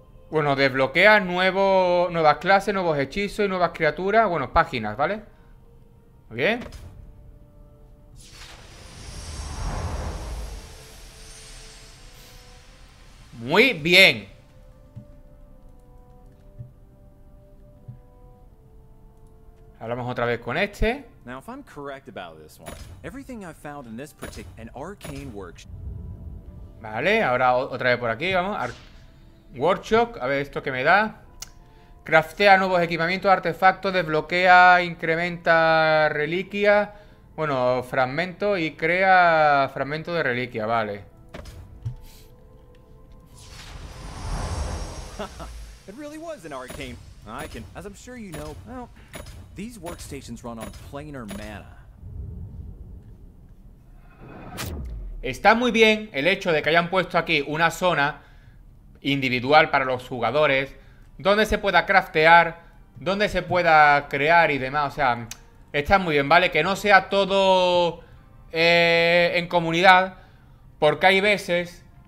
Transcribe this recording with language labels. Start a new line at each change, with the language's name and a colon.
Spanish: Bueno, desbloquea nuevas clases, nuevos hechizos y nuevas criaturas. Bueno, páginas, ¿vale? Muy bien. Muy bien. Hablamos otra vez con este.
English: Now, if I'm correct about this one, everything I've found in this particular an arcane workshop.
Spanish: Vale, ahora otra vez por aquí, vamos. Workshop, a ver esto que me da. Craftea nuevos equipamientos, artefactos, desbloquea, incrementa reliquia. Bueno, fragmento y crea fragmento de reliquia, vale.
English: It really was an arcane. I can, as I'm sure you know, well, these workstations run on planar mana.
Spanish: Está muy bien el hecho de que hayan puesto aquí una zona individual para los jugadores, donde se pueda craftear, donde se pueda crear y demás. O sea, está muy bien, ¿vale? Que no sea todo en comunidad, porque hay veces...